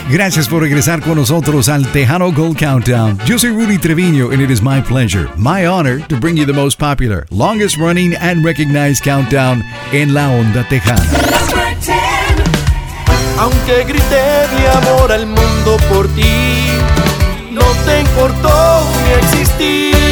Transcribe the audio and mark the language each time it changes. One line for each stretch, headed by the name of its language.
Spanish: Gracias por regresar con nosotros al Tejano Gold Countdown. Yo soy
English: Rudy Treviño, and it is my pleasure, my honor, to bring you the most popular, longest running, and recognized countdown en La Onda Tejana.
Spanish: Aunque grité mi amor al mundo por ti, no te importó mi existir.